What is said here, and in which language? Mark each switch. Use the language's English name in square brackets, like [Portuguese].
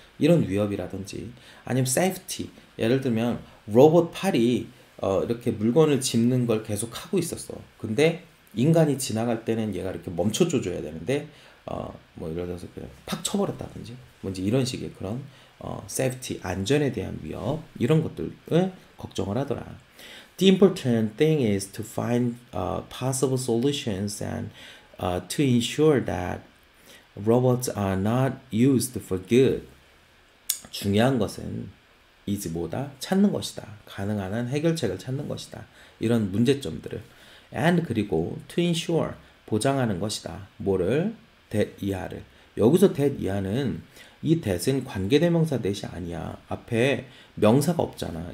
[Korean] 이런 위협이라든지, 아니면 세이프티. 예를 들면 로봇 팔이 이렇게 물건을 짚는 걸 계속 하고 있었어. 근데 인간이 지나갈 때는 얘가 이렇게 멈춰 줘줘야 되는데 뭐 예를 들어서 그냥 팍 쳐버렸다든지, 뭔지 이런 식의 그런 세이프티, 안전에 대한 위협, 이런 것들을 걱정을 하더라. [English] The important thing is to find possible solutions and to ensure that robots are not used for good. [Korean] 중요한 것은 이제 뭐다? 찾는 것이다. 가능한 한 해결책을 찾는 것이다. 이런 문제점들을. [English] And [Korean] 그리고 [English] to ensure, [Korean] 보장하는 것이다. 뭐를? 이하를. 여기서 that 이하는 이 that은 관계대명사 that이 아니야. 앞에 명사가 없잖아.